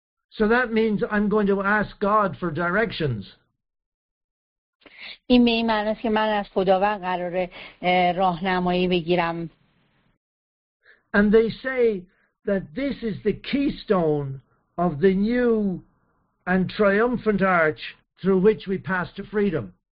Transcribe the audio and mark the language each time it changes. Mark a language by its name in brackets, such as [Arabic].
[English] So that means I'm going to ask God for directions. [Persian] این به این معناست که من از خداوند قراره راهنمایی بگیرم. [English] And they say that this is the keystone of the new and triumphant arch through which we pass to freedom.